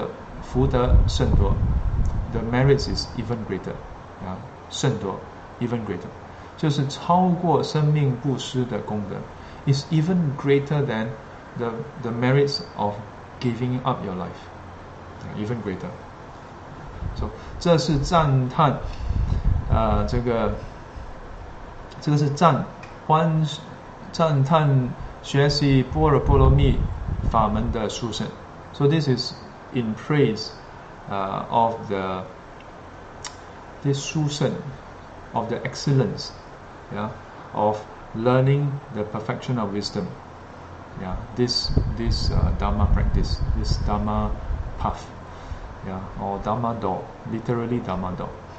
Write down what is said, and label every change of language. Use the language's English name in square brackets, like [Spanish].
[Chinese] 所得到的福德甚多, [English] the merits is even greater. Yeah, [Chinese] 甚多, [English] even greater. [Chinese] 就是超过生命布施的功德, [English] is even greater than the merits of giving up your life. Yeah, even greater. [Chinese] So, 这是赞叹, 这个是赞叹学习般若波罗蜜法门的殊胜. [English] So this is in praise of the this 殊胜, of the excellence, yeah, of learning the perfection of wisdom. Yeah, this Dharma practice, this Dharma path, yeah, or Dharma door, literally Dharma door.